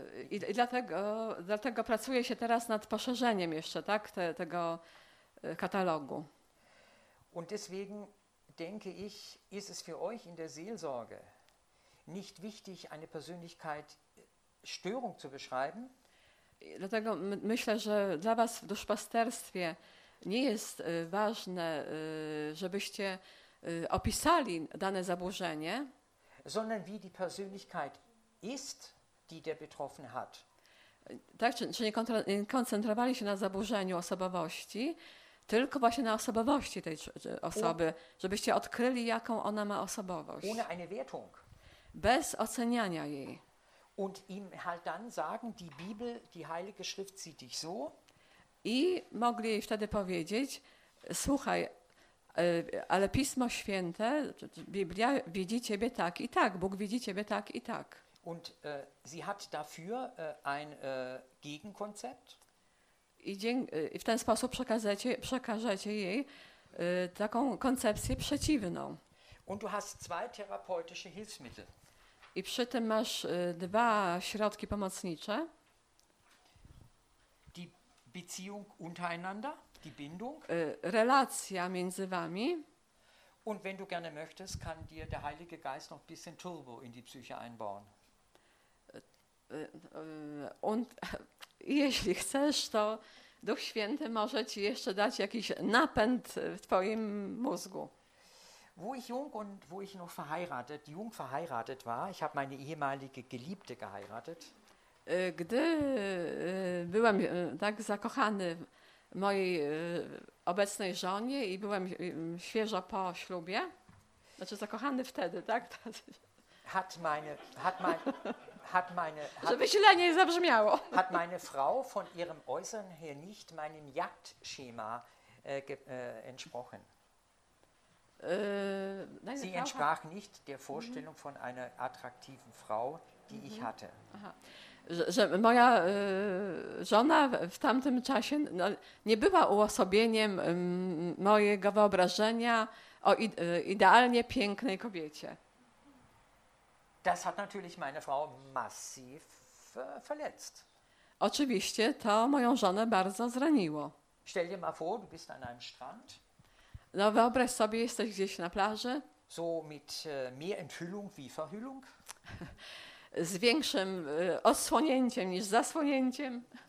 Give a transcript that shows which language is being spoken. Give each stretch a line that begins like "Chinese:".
Polish: I dlatego pracuje się teraz nad poszerzeniem jeszcze, tak, tego katalogu.
German: Und deswegen denke ich, ist es für euch in der Seelsorge nicht wichtig, eine Persönlichkeitsstörung zu beschreiben.
Polish: Dlatego myślę, że dla was w duszpasterstwie nie jest ważne, żebyście opisali dane zaburzenie,
German: sondern wie die Persönlichkeit ist, die der Betroffene hat.
Polish: Tak, czy nie koncentrowali się na zaburzeniu osobowości, tylko właśnie na osobowości tej osoby, żebyście odkryli, jaką ona ma osobowość.
German: Ohne eine Wertung.
Polish: Bez oceniania jej.
German: Und ihm halt dann sagen, die Bibel, die Heilige Schrift sieht dich so.
Polish: I mogli jej wtedy powiedzieć, słuchaj, ale Pismo Święte, Biblia widzi ciebie tak i tak, Bóg widzi ciebie tak i tak.
German: Und sie hat dafür ein Gegenkonzept.
Polish: I w ten sposób przekażecie jej taką koncepcję przeciwną.
German: Und du hast zwei therapeutische Hilfsmittel.
Polish: I przy tym masz dwa środki pomocnicze.
German: Die Beziehung untereinander, die Bindung.
Polish: Relacja między wami.
German: Und wenn du gerne möchtest, kann dir der Heilige Geist noch ein bisschen Turbo in die Psyche einbauen.
Polish: Und jeśli chcesz, to Duch Święty może ci jeszcze dać jakiś napęd w twoim mózgu.
German: Wo ich jung und wo ich noch jung verheiratet war, ich habe meine ehemalige Geliebte geheiratet.
Polish: Gdy byłem tak zakochany w mojej obecnej żonie i byłem świeżo po ślubie, znaczy zakochany wtedy, tak?
German: hat meine hat mein hat meine hat,
Polish: żeby źle nie zabrzmiało.
German: Hat meine Frau von ihrem Äußeren her nicht meinem Jagdschema entsprochen. Sie entsprach nicht der Vorstellung von einer attraktiven Frau, die ich hatte.
Polish: Że moja żona w tamtym czasie no, nie była uosobieniem mojego wyobrażenia o idealnie pięknej kobiecie.
German: Das hat natürlich meine Frau massiv verletzt.
Polish: Oczywiście to moją żonę bardzo zraniło.
German: Stell dir mal vor, du bist an einem Strand.
Polish: No, wyobraź sobie, jesteś gdzieś na plaży.
German: So mit mehr Enthüllung wie Verhüllung.
Polish: Z większym odsłonięciem niż zasłonięciem.